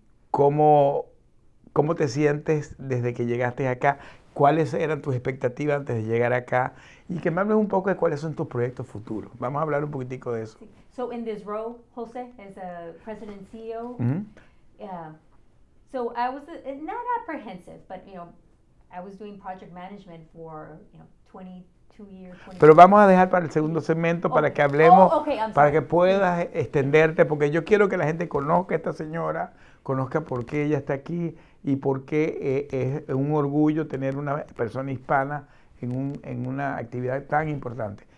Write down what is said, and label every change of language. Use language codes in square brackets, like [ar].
[es] ¿Cómo te sientes desde que llegaste acá? ¿Cuáles eran tus expectativas antes de llegar acá? Y que me hables un poco de cuáles son tus proyectos futuros. Vamos a hablar un poquitico de eso. [en] So in this role, Jose, as a president and CEO, mm-hmm. So I was not apprehensive, but, you know, I was doing project management for, you know, 22 years. [es] Pero vamos a dejar para el segundo segmento para que hablemos, para que puedas extenderte, porque yo quiero que la gente conozca a esta señora, conozca por qué ella está aquí y por qué es un orgullo tener una persona hispana en una actividad tan importante.